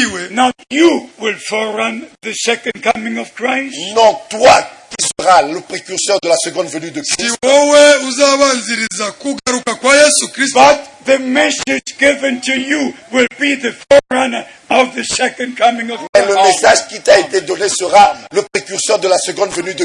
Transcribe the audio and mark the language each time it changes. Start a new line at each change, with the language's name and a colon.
English: Not you will forerun the second coming of Christ.
French: Non, toi. Qui sera le précurseur de la seconde venue de Christ.
English: But the message given to you will be the forerunner of the second coming of Christ.
French: Mais le message qui t'a été donné sera le précurseur de la seconde venue de